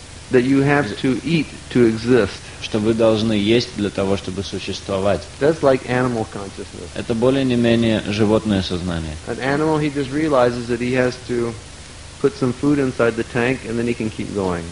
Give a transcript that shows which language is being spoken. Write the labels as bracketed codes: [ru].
[en] that you have to eat to exist, [ru] что вы должны есть для того, чтобы существовать. [en] That's like animal consciousness. [ru] Это более не менее животное сознание. [en] An animal, he just realizes that he has to put some food inside the tank and then he can keep going.